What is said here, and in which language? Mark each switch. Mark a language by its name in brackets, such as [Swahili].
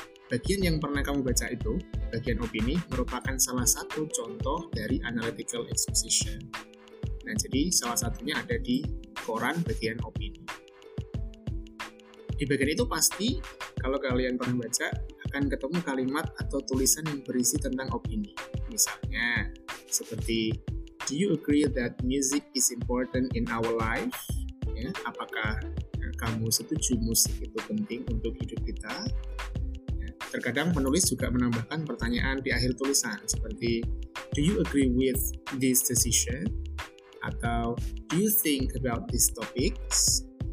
[Indonesian] Bagian yang pernah kamu baca itu, bagian opini, merupakan salah satu contoh dari analytical exposition. Nah, jadi salah satunya ada di koran bagian opini. Di bagian itu pasti, kalau kalian pernah baca, akan ketemu kalimat atau tulisan yang berisi tentang opini. Misalnya, seperti, [English] do you agree that music is important in our life? [Indonesian] Ya, apakah kamu setuju musik itu penting untuk hidup kita? Ya, terkadang penulis juga menambahkan pertanyaan di akhir tulisan, seperti, [English] do you agree with this decision? [Indonesian] Atau, [English] do you think about these topics?